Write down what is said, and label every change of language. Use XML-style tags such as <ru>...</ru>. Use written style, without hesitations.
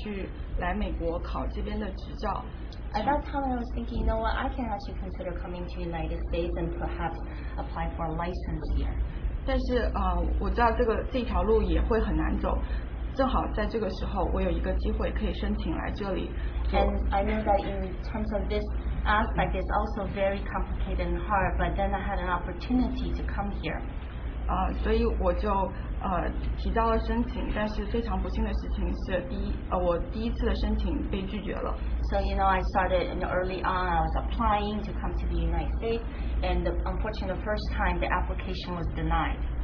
<zh>还可以说去来美国考这边的执照。</zh> <en>At that time, I was thinking, you know what, I can actually consider coming to the United States and perhaps apply for a license here.</en> <zh>但是我知道这条路也会很难走。正好在这个时候，我有一个机会可以申请来这里。</zh> <en>And I know that in terms of this aspect, it's also very complicated and hard, but then I had an opportunity to come here.</en> <zh>所以我就提交了申请，但是非常不幸的事情是，我第一次的申请被拒绝了。</zh> <en>So, you know, I started in early on, I was applying to come to the United States, and unfortunately, the first time, the application was denied.</en>